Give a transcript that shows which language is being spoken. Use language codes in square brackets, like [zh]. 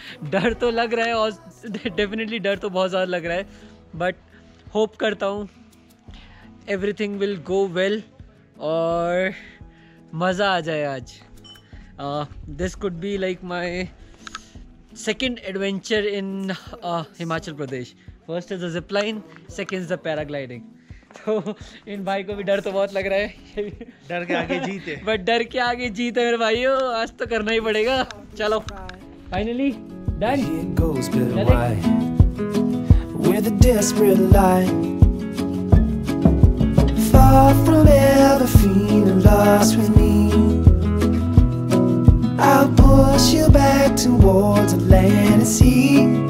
[hi] डर तो लग रहा है और definitely डर तो बहुत ज़्यादा लग रहा है, but hope करता हूँ [en] everything will go well [hi] और मज़ा आ जाए आज। [en] This could be like my second adventure in Himachal Pradesh. First is the zip line, second is the paragliding. [hi] तो इन भाई को भी डर तो बहुत लग रहा है। डर के आगे जीते। बट डर के आगे जीते मेरे भाइयों, आज तो करना ही पड़ेगा। चलो finally done. [en] It goes bit wide With a desperate light Far from ever feeling lost with me I'll push you back towards the land and sea